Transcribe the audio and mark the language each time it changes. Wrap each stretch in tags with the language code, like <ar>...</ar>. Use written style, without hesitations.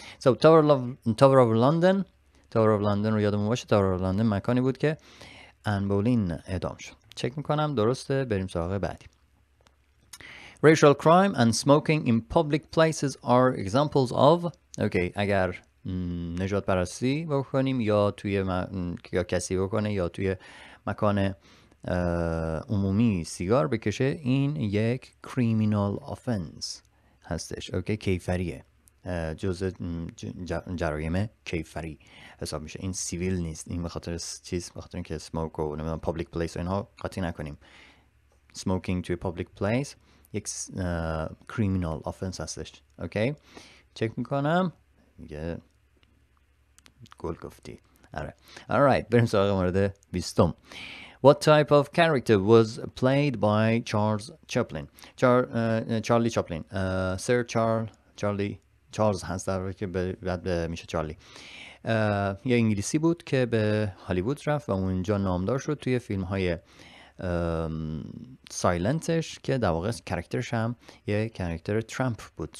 <fa>سو تاور آف لندن رو یادمون باشه، تاور آف لندن مکانی بود که آن بولین اعدام شد. چک میکنم درسته، بریم سراغ بعدی.</fa> <en>Racial crime and smoking in public places are examples of.</en> <fa>اوکی، اگر نجات پرستی بکنیم یا توی یا کسی بکنه یا توی مکان عمومی سیگار بکشه، این یک criminal offense هستش. اوکی، کیفریه، جزء جرایم کیفری حساب میشه، این سیویل نیست. این بخاطر چیز، بخاطر این که smoke و نمیدونم public place و اینها قطعی نکنیم، smoking توی public place یک criminal offense هستش. اوکی، چک میکنم گل گفتی. آره.</fa> <en>All right.</en> <fa>بریم سراغ مورد 20.</fa> <en>What type of character was played by Charles Chaplin? Charlie Chaplin.</en> <fa>Sir Charles هست در واقع، که بعد میشه چارلی. یه انگلیسی بود که به هالیوود رفت و اونجا نامدار شد توی فیلم‌های سایلنتش، که در واقع کاراکترش هم یه کاراکتر ترامپ بود.</fa>